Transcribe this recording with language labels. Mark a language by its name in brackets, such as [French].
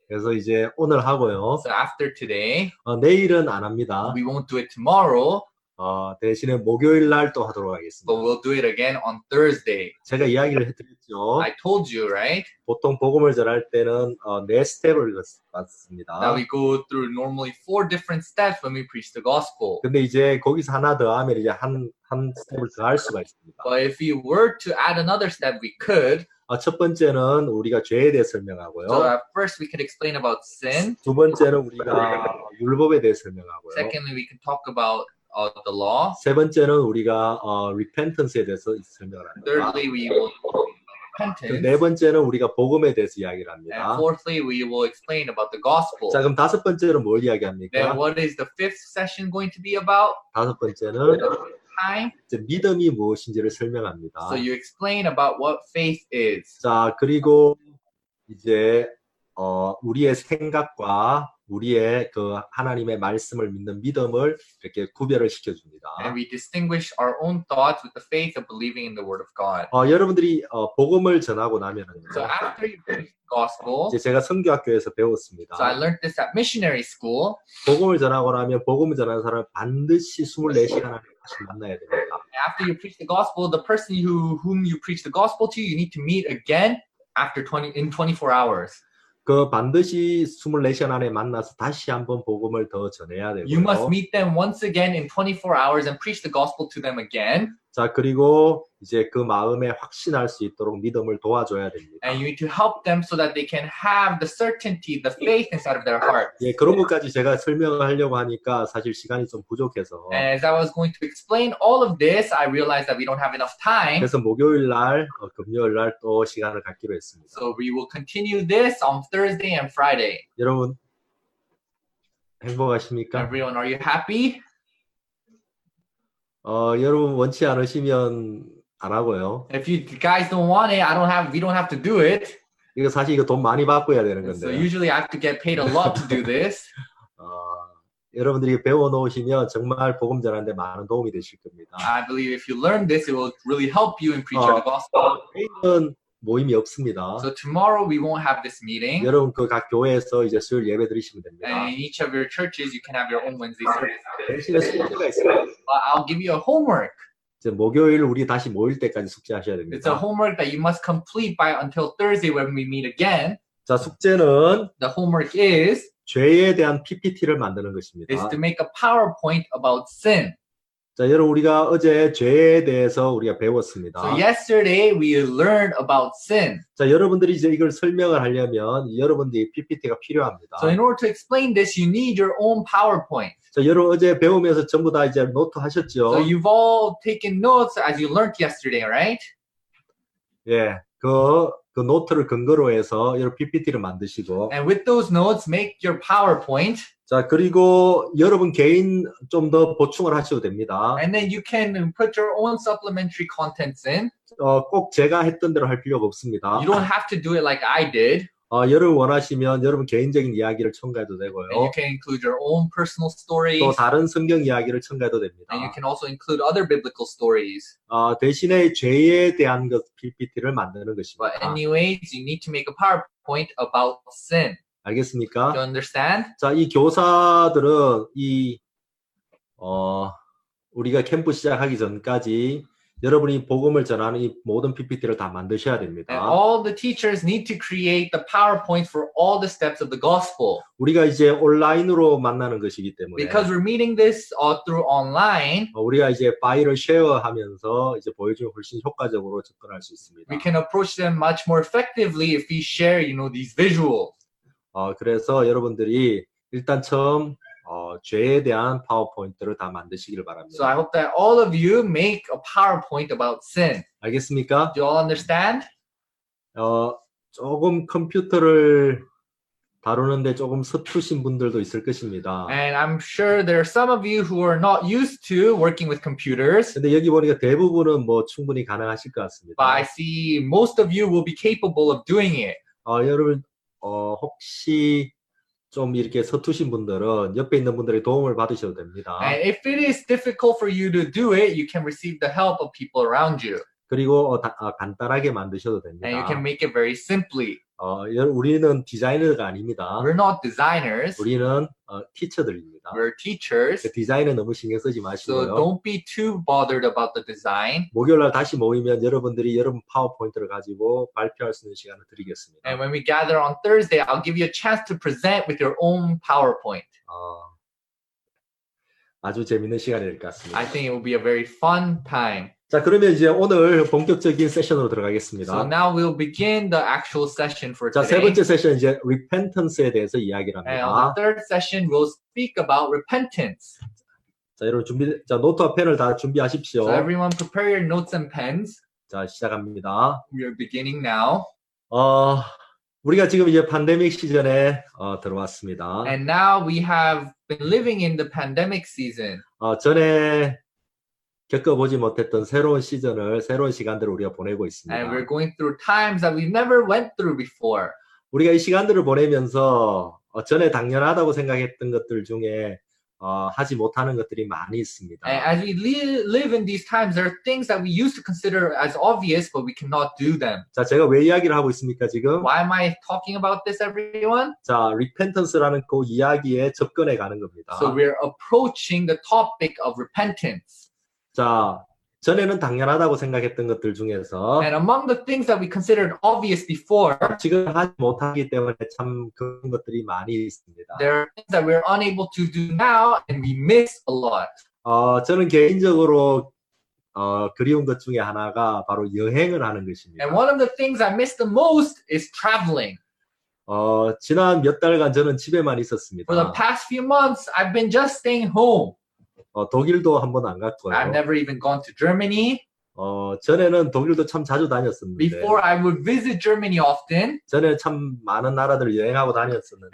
[Korean] 그래서 이제 오늘 하고요. [English] So after today. [Korean] 내일은 안 합니다. [English] We won't do it tomorrow. [Korean] 대신에 목요일 날 또 하도록 하겠습니다. [English] But we'll do it again on Thursday. [Korean] 제가 이야기를 해드렸죠. [English] I told you, right? [Korean] 보통 복음을 전할 때는 네 스텝을 받습니다. [English] Now we go through normally four different steps when we preach the gospel. [Korean] 근데 이제 거기서 하나 더 하면 이제 한 스텝을 더 할 수가 있습니다. [English] But if you were to add another step, we could. [Korean] 첫 번째는 우리가 죄에 대해 설명하고요. [English] So first we can explain about sin. [Korean] 두 번째는 우리가 율법에 대해 설명하고요. [English] Secondly, we can talk about the law. [Korean] 세 번째는 우리가 repentance에 대해서 설명을 합니다. [English] Thirdly, we will repentance. [Korean] 네 번째는 우리가 복음에 대해서 이야기를 합니다. [English] And fourthly, we will explain about the gospel. [Korean] 자, 그럼 다섯 번째는 뭘 이야기합니까? [English] Then what is the fifth session going to be about? [Korean] 다섯 번째는 이제 믿음이 무엇인지를 설명합니다. [English] So you explain about what faith is. [Korean] 자, 그리고 이제 우리의 생각과 우리의 그 하나님의 말씀을 믿는 믿음을 이렇게 구별을 시켜줍니다. [English] And we distinguish our own thoughts with the faith of believing in the word of God. [Korean] 여러분들이 복음을 전하고 나면은요. [English] So after you preach the gospel, [Korean] 이제 제가 선교학교에서 배웠습니다. [English] So I learned this at missionary school. [Korean] 복음을 전하고 나면 복음을 전하는 사람 반드시 24시간 안에 다시 만나야 됩니다. [English] After you preach the gospel, the person whom you preach the gospel to, you need to meet again after 24 hours. [Korean] 그 반드시 24시간 안에 만나서 다시 한번 복음을 더 전해야 되고요. [English] You must meet them once again in 24 hours and preach the gospel to them again. [Korean] 자, 그리고 이제 그 마음에 확신할 수 있도록 믿음을 도와줘야 됩니다. [English] And you need to help them so that they can have the certainty, the faith inside of their hearts. [Korean] 예, 그런 것까지 제가 설명하려고 하니까 사실 시간이 좀 부족해서. [English] And as I was going to explain all of this, I realized that we don't have enough time. [Korean] 그래서 목요일 날, 금요일 날 또 시간을 갖기로 했습니다. [English] So we will continue this on Thursday and Friday. [Korean] 여러분, 행복하십니까? [English] Everyone, are you happy? [Korean] 여러분 원치 않으시면 안 하고요. [English] If you guys don't want it, I don't have. We don't have to do it. [Korean] 이거 사실 이거 돈 많이 받고 해야 되는 건데. [English] So usually I have to get paid a lot to do this. [Korean] 여러분들이 배워 놓으시면 정말 복음 전하는데 많은 도움이 되실 겁니다. [English] I believe if you learn this, it will really help you in preaching the gospel. [Korean] 모임이 없습니다. [English] So tomorrow we won't have this meeting. [Korean] 여러분 그 각 교회에서 이제 수요일 예배 드리시면 됩니다. [English] And in each of your churches, you can have your own Wednesday service. [Korean] 대신에 숙제가 있어요. [English] I'll give you a homework. [Korean] 이제 목요일 우리 다시 모일 때까지 숙제하셔야 됩니다. [English] It's a homework that you must complete by until Thursday when we meet again. [Korean] 자, 숙제는 [English] The homework is [Korean] 죄에 대한 PPT를 만드는 것입니다. [English] Is to make a PowerPoint about sin. [Korean] 자, 여러분 우리가 어제 죄에 대해서 우리가 배웠습니다. [English] So yesterday we learned about sin. [Korean] 자, 여러분들이 이제 이걸 설명을 하려면 여러분들이 PPT가 필요합니다. [English] So in order to explain this, you need your own PowerPoint. [Korean] 자, 여러분 어제 배우면서 전부 다 이제 노트 하셨죠? [English] So you've all taken notes as you learned yesterday, right? [Korean] 예. 그 노트를 근거로 해서 여러분 PPT를 만드시고 [English] And with those notes make your PowerPoint. [Korean] 자, 그리고 여러분 개인 좀 더 보충을 하셔도 됩니다. [English] And then you can put your own supplementary contents in. [Korean] 꼭 제가 했던 대로 할 필요가 없습니다. [English] You don't have to do it like I did. [Korean] 여러분 원하시면 여러분 개인적인 이야기를 첨가해도 되고요. [English] And you can include your own personal stories. [Korean] 또 다른 성경 이야기를 첨가해도 됩니다. [English] And you can also include other biblical stories. [Korean] 대신에 죄에 대한 것 PPT를 만드는 것입니다. [English] But anyways, you need to make a PowerPoint about sin. [Korean] 알겠습니까? [English] Do you understand? [Korean] 자, 이 교사들은 이 우리가 캠프 시작하기 전까지 여러분이 복음을 전하는 이 모든 PPT를 다 만드셔야 됩니다. [English] And all the teachers need to create the PowerPoint for all the steps of the gospel. [Korean] 우리가 이제 온라인으로 만나는 것이기 때문에 [English] Because we're meeting this through online. [Korean] 우리가 이제 파일을 쉐어하면서 이제 보여주면 훨씬 효과적으로 접근할 수 있습니다. [English] We can approach them much more effectively if we share, you know, these visuals. [Korean] 그래서 여러분들이 일단 처음 죄에 대한 파워포인트를 다 만드시기를 바랍니다. [English] So I hope that all of you make a PowerPoint about sin. [Korean] 알겠습니까? [English] Do you all understand? [Korean] 조금 컴퓨터를 다루는데 조금 서투신 분들도 있을 것입니다. [English] And I'm sure there are some of you who are not used to working with computers. [Korean] 근데 여기 보니까 대부분은 뭐 충분히 가능하실 것 같습니다. [English] But I see most of you will be capable of doing it. [Korean] 여러분 혹시 좀 이렇게 서투신 분들은 옆에 있는 분들의 도움을 받으셔도 됩니다. [English] And if it is difficult for you to do it, you can receive the help of people around you. [Korean] 그리고 간단하게 만드셔도 됩니다. [English] And you can make it very simply. [Korean] 우리는 디자이너가 아닙니다. [English] We're not designers. [Korean] 우리는 teacher들입니다. [English] We're teachers. [Korean] 디자인은 너무 신경 쓰지 마시고요. [English] So don't be too bothered about the design. [Korean] 목요일날 다시 모이면 여러분들이 여러분 파워포인트를 가지고 발표할 수 있는 시간을 드리겠습니다. [English] And when we gather on Thursday, I'll give you a chance to present with your own PowerPoint. [Korean] 아주 재밌는 시간일 것 같습니다. [English] I think it will be a very fun time. [Korean] 자, 그러면 이제 오늘 본격적인 세션으로 들어가겠습니다. [English] So now we'll begin the actual session for 자, today. [Korean] 자, 세 번째 세션 이제 repentance에 대해서 이야기를 합니다. [English] And on the third session, we'll speak about repentance. [Korean] 자, 여러분 준비, 자, 노트와 펜을 다 준비하십시오. [English] So everyone prepare your notes and pens. [Korean] 자, 시작합니다. [English] We are beginning now. [Korean] 우리가 지금 이제 팬데믹 시즌에 들어왔습니다. [English] And now we have been living in the pandemic season. [Korean] 전에 겪어보지 못했던 새로운 시즌을 새로운 시간들을 우리가 보내고 있습니다. [English] And we're going through times that we've never went through before. [Korean] 우리가 이 시간들을 보내면서 전에 당연하다고 생각했던 것들 중에 하지 못하는 것들이 많이 있습니다. [English] And as we live in these times, there are things that we used to consider as obvious, but we cannot do them. [Korean] 자, 제가 왜 이야기를 하고 있습니까, 지금? [English] Why am I talking about this, everyone? [Korean] 자, repentance라는 그 이야기에 접근해 가는 겁니다. [English] So we're approaching the topic of repentance. [Korean] 자, 전에는 당연하다고 생각했던 것들 중에서 [English] And among the things that we considered obvious before [Korean] 지금 하지 못하기 때문에 참 그런 것들이 많이 있습니다. [English] There are things that we're unable to do now and we miss a lot. [Korean] 저는 개인적으로 그리운 것 중에 하나가 바로 여행을 하는 것입니다. [English] And one of the things I miss the most is traveling. [Korean] 지난 몇 달간 저는 집에만 있었습니다. [English] For the past few months I've been just staying home. [Korean] 독일도 한 번 안 갔고요. [English] I've never even gone to Germany. [Korean] 전에는 독일도 참 자주 다녔었는데. [English] Before I would visit Germany often. [Korean] 전에 참 많은 나라들을 여행하고 다녔었는데.